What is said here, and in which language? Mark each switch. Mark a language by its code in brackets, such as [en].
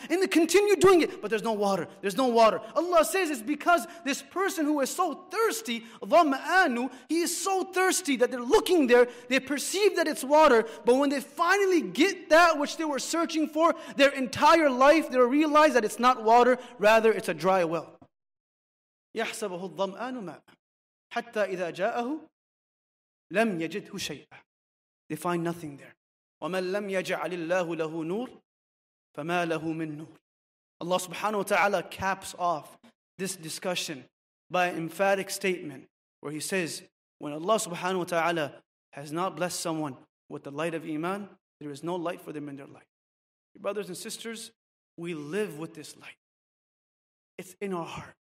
[en] And they continue doing it. But there's no water. There's no water. Allah says it's because this person who is so thirsty, ظمآنو, he is so thirsty that they're looking there. They perceive that it's water. But when they finally get that which they were searching for, their entire life, they'll realize that it's not water. Rather, it's a dry well. [ar] يَحْسَبَهُ الظمآنُ مَا حتى إذا جاءه لم يجده شيئا. [en] They find nothing there. [ar] ومن لم يجعل الله له نور فما له من نور. [en] Allah subhanahu wa ta'ala caps off this discussion by an emphatic statement where he says, when Allah subhanahu wa ta'ala has not blessed someone with the light of iman, there is no light for them in their life. Your brothers and sisters, we live with this light. It's in our heart.